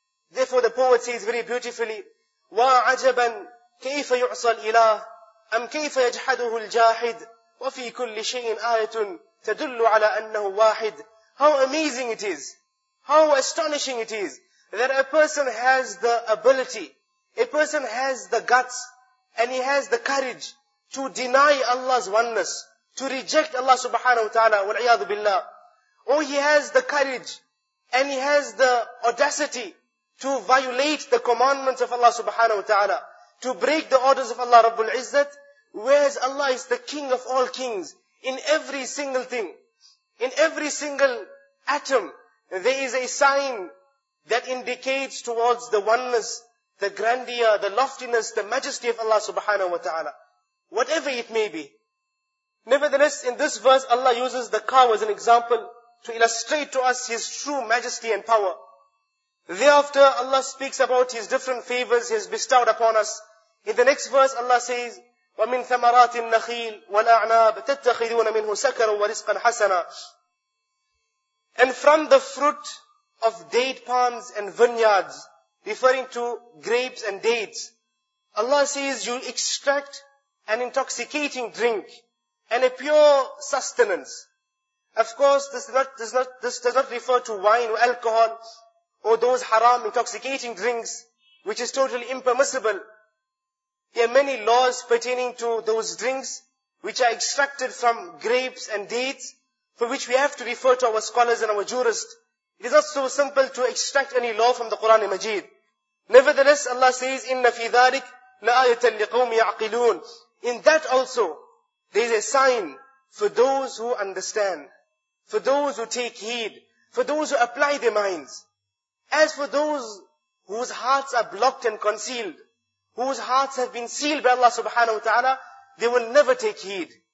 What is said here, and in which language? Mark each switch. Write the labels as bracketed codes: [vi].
[en] Therefore, the poet says very beautifully, [ar] وَعَجَبًا كَيْفَ يُعْصَى الْإِلَهِ أَمْ كَيْفَ يَجْحَدُهُ الْجَاحِدُ وَفِي كُلِّ شَيْءٍ آيَةٌ تَدُلُّ عَلَىٰ أَنَّهُ وَاحِدٌ. [en] How amazing it is, how astonishing it is, that a person has the ability, a person has the guts, and he has the courage to deny Allah's oneness, to reject Allah subhanahu wa ta'ala, wal'iyadu billah. Or he has the courage and he has the audacity to violate the commandments of Allah subhanahu wa ta'ala, to break the orders of Allah Rabbul Izzat, whereas Allah is the King of all kings. In every single thing, in every single atom, there is a sign that indicates towards the oneness, the grandeur, the loftiness, the majesty of Allah subhanahu wa ta'ala, whatever it may be. Nevertheless, in this verse, Allah uses the cow as an example to illustrate to us His true majesty and power. Thereafter, Allah speaks about His different favors He has bestowed upon us, In the next verse, Allah says, [ar] وَمِنْ ثَمَرَاتِ النَّخِيلِ وَالْأَعْنَابِ تَتَّخِذُونَ مِنْهُ سَكَرًا وَرِزْقًا حَسَنًا. [en] And from the fruit of date palms and vineyards, referring to grapes and dates, Allah says, you extract an intoxicating drink and a pure sustenance. Of course, this does not refer to wine or alcohol or those haram intoxicating drinks, which is totally impermissible. There are many laws pertaining to those drinks which are extracted from grapes and dates, for which we have to refer to our scholars and our jurists. It is not so simple to extract any law from the Quran and Majid. Nevertheless, Allah says, [ar] إِنَّ فِي ذَلِكْ لَآيَةً لِقَوْمِ يَعْقِلُونَ. [en] In that also, there is a sign for those who understand, for those who take heed, for those who apply their minds. As for those whose hearts are blocked and concealed, whose hearts have been sealed by Allah subhanahu wa ta'ala, they will never take heed.